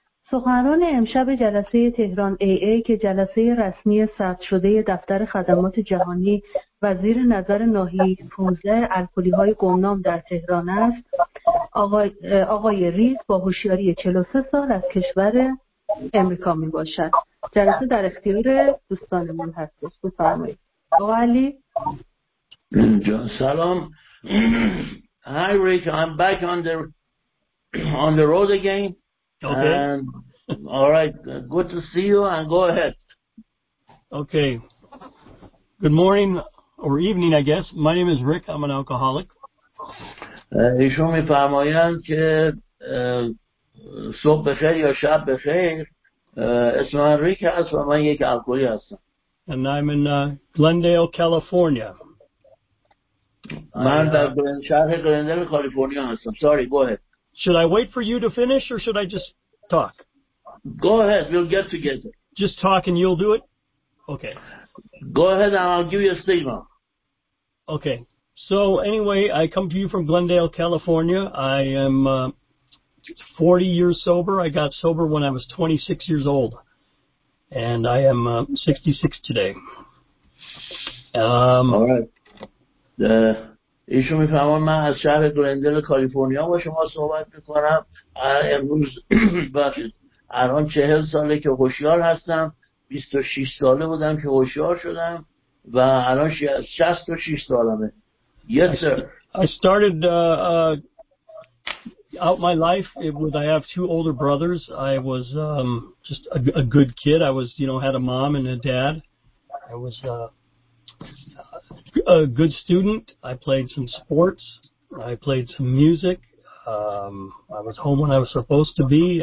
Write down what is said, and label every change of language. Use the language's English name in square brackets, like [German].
[Persian] سخنران امشب جلسه تهران ای ای که جلسه رسمی ثبت شده دفتر خدمات جهانی و زیر نظر ناحیه 15 الکلی‌های گمنام در تهران است، آقای ریز با هوشیاری 43 سال از کشور امریکا می باشد. جلسه در اختیار دوستانمون هستش. بفرمایید. آقا علی جان سلام. [English] Hi Rick, I'm back on the road again. Okay. And all right, good to see you and go ahead. Okay. Good morning or evening, I guess. My name is Rick, I'm an alcoholic. [Persian] ایشون میفرمایند که صبح بخیر یا شب بخیر، اسم من ریک هست و من یک الکلی هستم. [English] And I'm in Glendale, California. [Persian] من در شهر گلندل کالیفرنیا هستم. [English] Sorry, go ahead. Should I wait for you to finish or should I just talk? Go ahead, we'll get together. Just talk and you'll do it? Okay. Go ahead and I'll give you a statement. Okay. So anyway, I come to you from Glendale, California. I am 40 years sober. I got sober when I was 26 years old. And I am 66 today. All right. [Persian] ایشون می فهمن من از شهر گلندل کالیفرنیا با شما صحبت می کنم. امروز الان 40 ساله که هوشیار هستم. 26 ساله بودم که هوشیار شدم و الان 66 سالمه. [English] Yes, sir. I started out my life with, I have two older brothers. I was just a good kid. I was, you know, had a mom and a dad. I was a good student. I played some sports. I played some music. I was home when I was supposed to be.